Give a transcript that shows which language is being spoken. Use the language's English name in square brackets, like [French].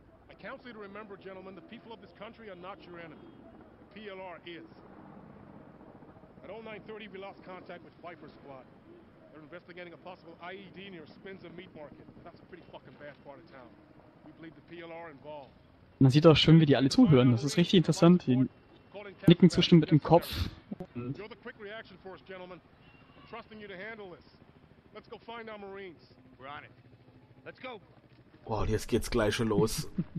[English] I counsel you to remember, gentlemen, the people of this country are not your enemy. The PLR is. At 0930, we lost contact with Viper Squad. They're investigating a possible IED near Spinza Meat Market. That's a pretty fucking bad part of town. We believe the PLR involved. [German] Man sieht auch schön, wie die alle zuhören. Das ist richtig interessant. Die nicken zustimmend mit dem Kopf. [English] You're the quick reaction for us, gentlemen. I'm trusting you to handle this. Let's go find our Marines. We're on it. Let's go. [German] Boah, wow, jetzt geht's gleich schon los.